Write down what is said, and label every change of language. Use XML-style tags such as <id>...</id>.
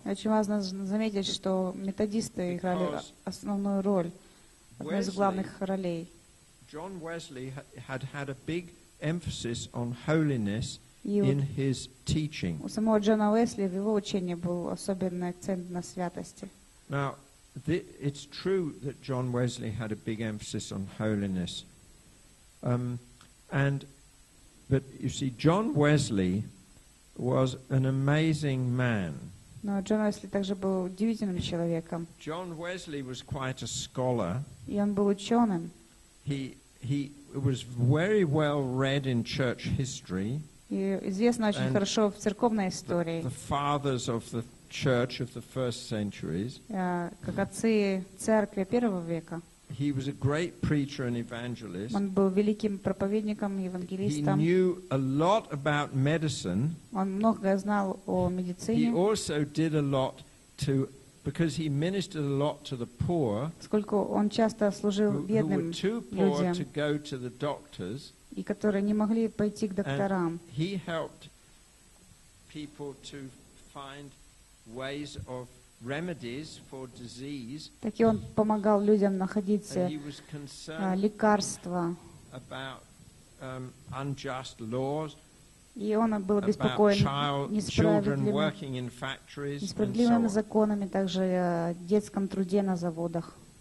<ru>Очень важно заметить, что методисты играли основную роль, одну из главных ролей.</ru> <en>John Wesley had had a big emphasis on holiness in his teaching.</en> <ru>У самого Джона Уэсли в его учении был особенный акцент на святости.</ru> <en>Now, it's true that John Wesley had a big emphasis on holiness. But you see, John Wesley was an amazing man.</en> <ru>Но Джон Уэсли также был удивительным человеком.</ru> <en>John Wesley was quite a scholar.</en> <ru>И он был ученым.</ru> <en>He was very well read in church history.</en> <ru>Известно очень хорошо в церковной истории.</ru> <en>The fathers of the church of the first centuries.</en> <ru>Как отцы церкви первого века.</ru> <en>He was a great preacher and evangelist.</en> <ru>Он был великим проповедником и евангелистом.</ru> <en>He knew a lot about medicine.</en> <ru>Он много знал о медицине.</ru> <en>He also did a lot to because he ministered a lot to the poor,</en> <ru>сколько он часто служил бедным людям,</ru> <en>to go to the doctors,</en> <ru>и которые не могли пойти к докторам.</ru> <en>And he helped people to find ways of remedies for disease.</en> <ru>Так и он помогал людям находить лекарства.</ru> <en>About unjust laws.</en> <ru>И он был обеспокоен несправедливыми законами, также о детском труде на заводах.</ru>